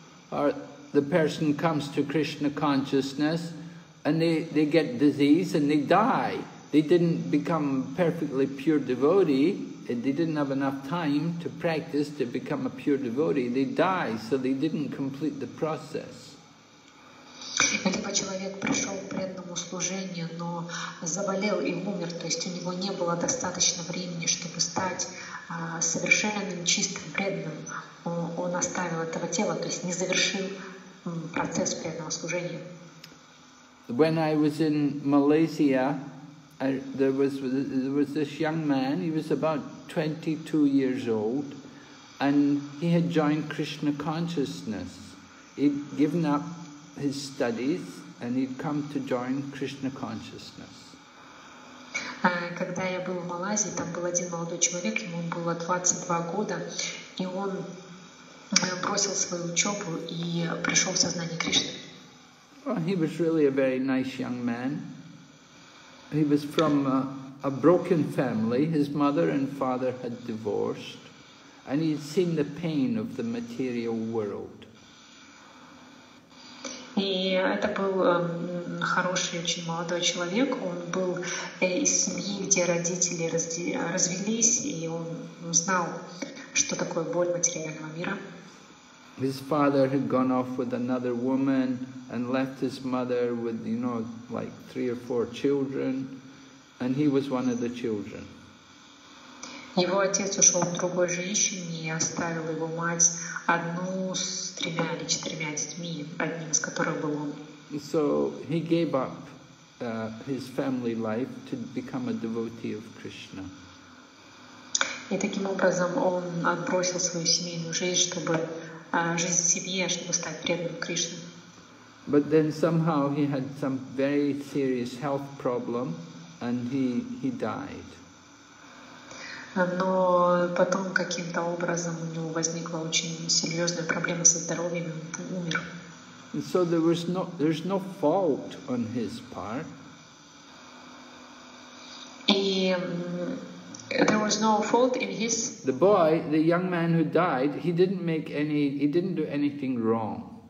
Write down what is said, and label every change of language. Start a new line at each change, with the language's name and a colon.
English: Or the person comes to Krishna consciousness and they get disease and they die. They didn't become perfectly pure devotee, and they didn't have enough time to practice to become a pure devotee. They die, so they didn't complete the process.
Russian: Либо человек пришел к преданному служению, но заболел и умер, то есть у него не было достаточно времени, чтобы стать совершенным, чистым, преданным. Он оставил этого тела, то есть не завершил процесс преданного служения.
English: When I was in Malaysia, there was this young man, he was about 22 years old, and he had joined Krishna consciousness. He'd given up his studies, and he'd come to join Krishna consciousness.
Russian: Когда я был в Малайзии, там был один молодой человек, ему было 22 года, и он бросил свою учебу и пришел в сознание Кришны.
English: Well, he was really a very nice young man. He was from a broken family. His mother and father had divorced, and he'd seen the pain of the material world.
Russian: И это был хороший, очень молодой человек. Он был из семьи, где родители развелись, и он знал, что такое боль материального мира.
English: His father had gone off with another woman and left his mother with, you know, like three or four children, and he was one of the children.
Russian: Его отец ушел к другой женщине и оставил его мать одну с тремя или четырьмя детьми, одним из которых был он.
English: So he gave up his family life to become a devotee of Krishna.
Russian: И таким образом он отбросил свою семейную жизнь, чтобы жизнь семьи, чтобы стать преданным Кришне.
English: But then somehow he had some very serious health problem, and he died.
Russian: Но потом каким-то образом у него возникла очень серьезная проблема со здоровьем, и он умер.
English: And so there's no fault on his part. И there was no fault in his. The boy, the young man who died, he didn't do anything wrong.